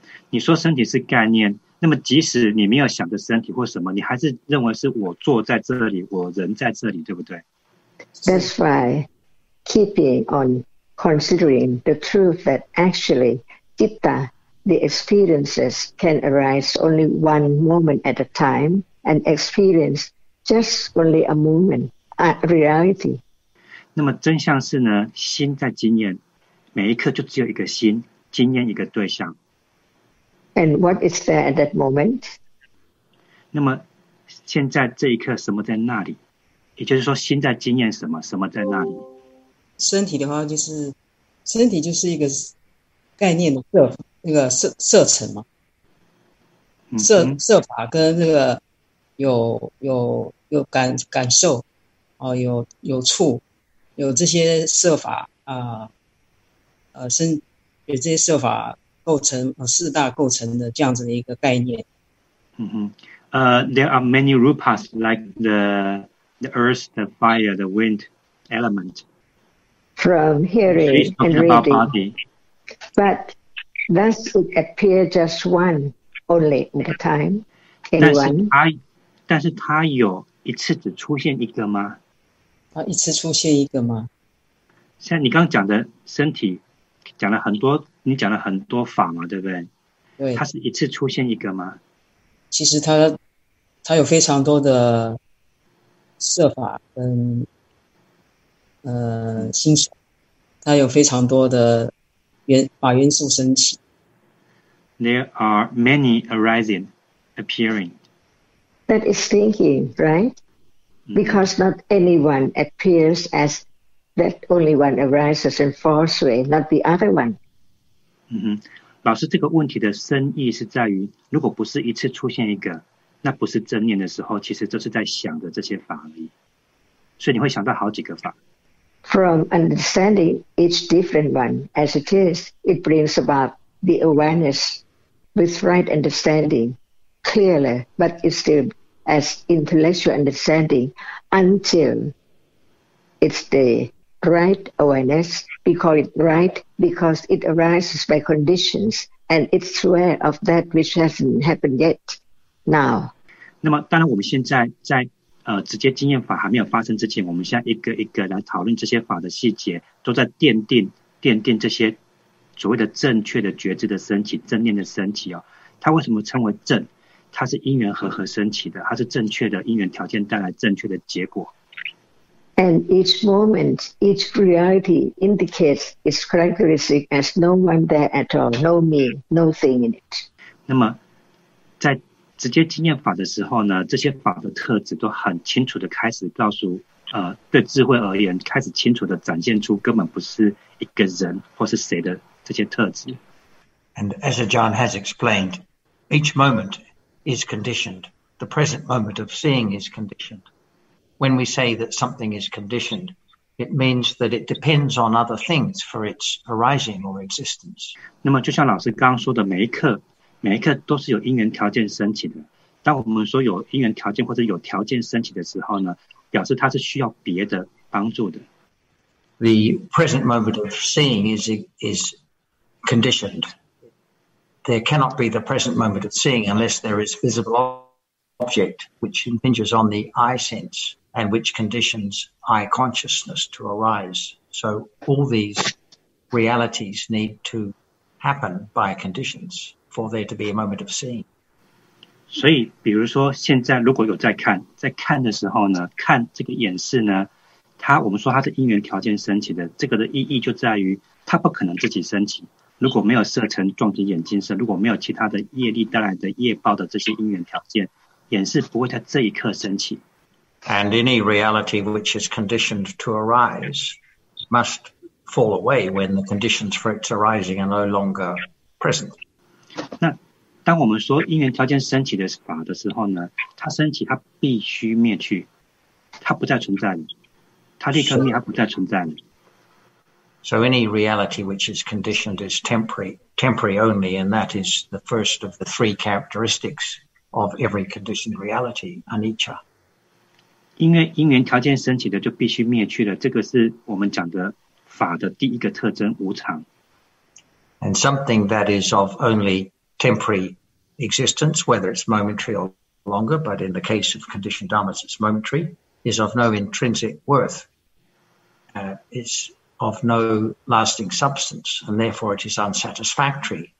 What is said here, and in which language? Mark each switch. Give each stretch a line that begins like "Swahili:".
Chinese: 你说身体是概念，那么即使你没有想着身体或什么，你还是认为是我坐在这里，我人在这里，对不对？
English: That's why keeping on considering the truth that actually citta, the experiences can arise only one moment at a time and experience just only a moment, a reality.
Chinese: 那么真相是呢，心在经验。每一刻就只有一个心，经验一个对象。 And what is there at that moment? 那么现在这一刻什么在那里？也就是说心在经验什么，什么在那里？身体的话就是，身体就是一个概念的色，那个色尘嘛。色法跟那个有 感受、有触，有这些色法啊。有这些设法构成四大构成的这样子的一个概念。
English: There are many rupas like the earth, the fire, the wind, element. From hearing and reading. Body. But that would appear just one only at a time. Anyone?
Chinese: 但是它有一次只出现一个吗？它一次出现一个吗？像你刚讲的身体。讲了很多，你讲了很多法嘛，对不对？对，它是一次出现一个吗？其实它有非常多的设法跟心所，它有非常多的法元素升起。
English: There are many arising, appearing. That is thinking, right? Because not anyone appears as. That only one arises and falls away, not the other one.
Chinese: 老师，这个问题的深意是在于，如果不是一次出现一个，那不是正念的时候，其实就是在想着这些法理。所以你会想到好几个法。
English: From understanding each different one as it is, it brings about the awareness with right understanding, clearly, but it's still as intellectual understanding until it's the... Right awareness, we call it right because it arises by conditions and it's aware of that which hasn't happened yet, now.
Chinese: 那么当然我们现在在直接经验法还没有发生之前，我们现在一个一个来讨论这些法的细节，都在奠定这些所谓的正确的觉知的升起，正念的升起哦。它为什么称为正？它是因缘和合升起的，它是正确的因缘条件带来正确的结果。
English: And each moment, each reality indicates its characteristic as no one there at all, no me, no thing in it.
Chinese: 那么在直接经验法的时候呢，这些法的特质都很清楚地开始告诉对智慧而言，开始清楚地展现出根本不是一个人或是谁的这些特质。
English: And as Ajahn has explained, each moment is conditioned. The present moment of seeing is conditioned. When we say that something is conditioned, it means that it depends on other things for its arising or existence.
Chinese: 那么就像老师刚说的，每一刻都是有因缘条件升起的。当我们说有因缘条件或者有条件升起的时候呢，表示它是需要别的帮助的。
English: The present moment of seeing is conditioned. There cannot be the present moment of seeing unless there is visible object which impinges on the eye sense and which conditions eye consciousness to arise. So all these realities need to happen by conditions for there to be a moment of seeing.
Chinese: 所以比如说现在如果有在看的时候呢，看这个眼识呢，它我们说它是因缘条件升起的，这个的意义就在于它不可能自己升起。如果没有色尘撞击眼睛时，如果没有其他的业力带来的业报的这些因缘条件，眼识不会在这一刻升起。
English: And any reality which is conditioned to arise must fall away when the conditions for its arising are no longer present.
Chinese: 那当我们说因缘条件升起的法的时候呢，它升起它必须灭去，它不再存在了，它立刻灭，它不再存在了。
English: So any reality which is conditioned is temporary only, and that is the first of the three characteristics of every conditioned reality, anicca.
Chinese: 因为因缘条件升起的就必须灭去了，这个是我们讲的法的第一个特征，无常。
English: And something that is of only temporary existence, whether it's momentary or longer, but in the case of conditioned dharmas, it's momentary, is of no intrinsic worth. It's of no lasting substance, and therefore it is unsatisfactory.